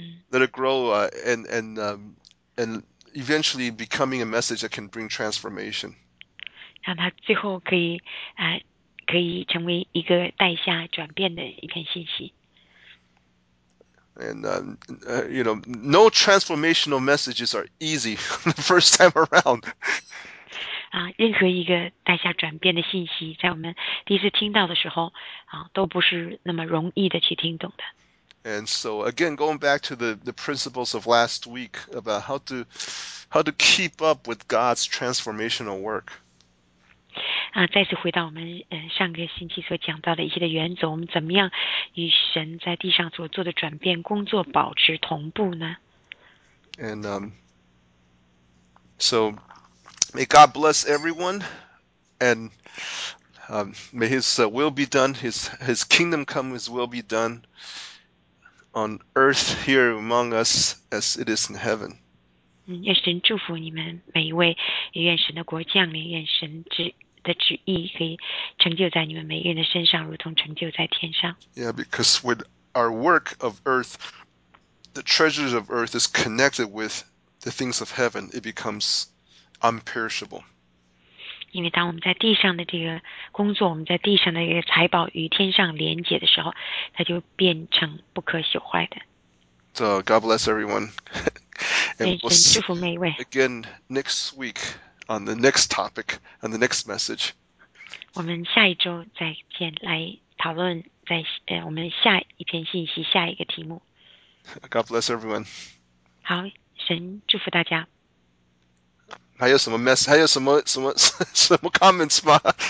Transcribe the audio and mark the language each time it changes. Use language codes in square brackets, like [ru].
[en] Let it grow, and eventually becoming a message that can bring transformation. [zh] 让它最后可以成为一个带下转变的一篇信息。 [en] And no transformational messages are easy the first time around. [zh] 任何一个带下转变的信息，在我们第一次听到的时候，都不是那么容易的去听懂的。 [en] And so again, going back to the principles of last week about how to keep up with God's transformational work. [zh] 再次回到我们上个星期所讲到的一些的原则，我们怎么样与神在地上所做的转变工作保持同步呢？ [en] And so may God bless everyone, and may His will be done, His kingdom come, His will be done. On earth here among us as it is in heaven. [zh] 愿神祝福你们每一位，愿神的国降临，愿神的旨意可以成就在你们每一人的身上，如同成就在天上。 [en] Yeah, because with our work of earth, the treasures of earth is connected with the things of heaven. It becomes imperishable. [zh] 因为当我们在地上的这个工作，我们在地上的这个财宝与天上连接的时候，它就变成不可朽坏的。 [en] So God bless everyone. [zh] 愿神祝福每一位。 [en] Again next week on the next topic on the next message. [zh] 我们下一周再见，来讨论在我们下一篇信息下一个题目。 [en] God bless everyone. [zh] 好，神祝福大家。还有什么 mess？ 还有什么 comments 吗？